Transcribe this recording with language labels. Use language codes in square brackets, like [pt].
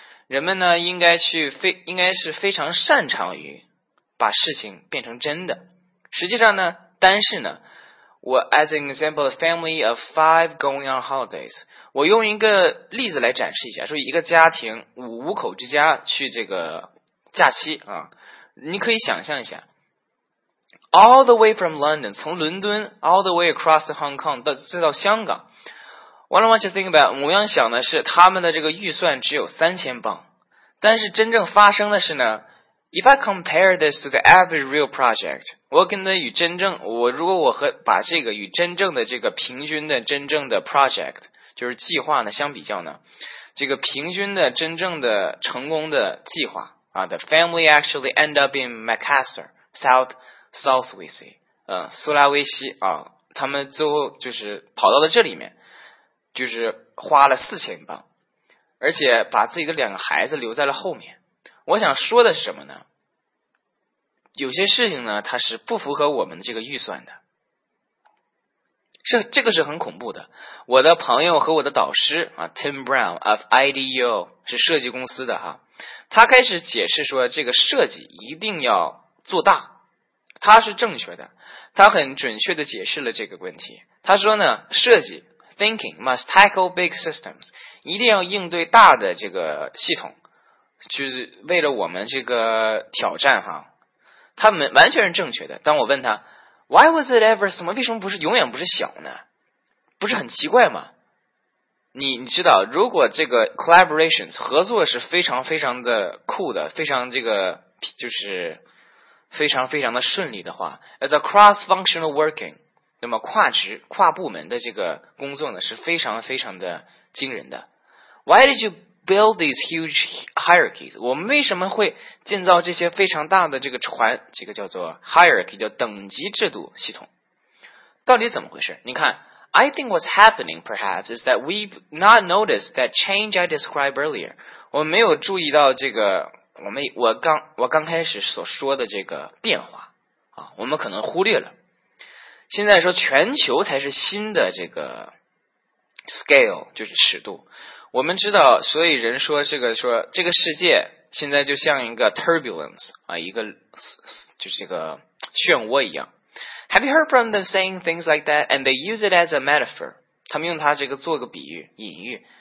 [zh] 人们呢应该是非常擅长于把事情变成真的。实际上呢，但是呢，我 [en] as an example a family of 5 going on holidays， [zh] 我用一个例子来展示一下，说一个家庭5口之家去这个假期啊，你可以想象一下， [en] all the way from London, [zh] 从伦敦 [en] all the way across Hong Kong, [zh] 到香港。 [en] What I want you to think about, [zh] 我想想的是他们的这个预算只有3000镑。但是真正发生的是呢 , [en] if I compare this to the average real project, [zh] 我跟的与真正我如果我和把这个与真正的这个平均的真正的 project, 就是计划呢相比较呢这个平均的真正的成功的计划啊 , [en] the family actually end up in Macassar, South Sulawesi, [zh] 苏拉威西啊他们最后就是跑到了这里面就是花了4000镑。而且把自己的两个孩子留在了后面。我想说的是什么呢？有些事情呢，它是不符合我们的这个预算的。这个是很恐怖的。我的朋友和我的导师啊 ,Tim Brown of IDEO, 是设计公司的啊。他开始解释说这个设计一定要做大。他是正确的。他很准确地解释了这个问题。他说呢设计 [en] Thinking must tackle big systems. [zh] 一定要应对大的这个系统，就是为了我们这个挑战哈。他们完全是正确的。当我问他 [en] ，Why was it ever small？ [zh] 为什么不是永远不是小呢？不是很奇怪吗？你知道，如果这个 collaborations 合作是非常非常的酷的，非常这个就是非常非常的顺利的话 ， [en] as a cross-functional working。 [zh] 那么跨职跨部门的这个工作呢是非常非常的惊人的。 [en] Why did you build these huge hierarchies? [zh] 我们为什么会建造这些非常大的这个船这个叫做 hierarchy, 叫等级制度系统。到底怎么回事你看 [en] ,I think what's happening perhaps is that we've not noticed that change I described earlier. [zh] 我没有注意到这个我刚开始所说的这个变化。啊我们可能忽略了。现在说全球才是新的这个 scale, 就是尺度。我们知道所以人说这个世界现在就像一个 turbulence, 啊一个就是这个漩涡一样。 [en] Have you heard from them saying things like that? And they use it as a metaphor. [zh] 他们用它这个做个比喻隐喻。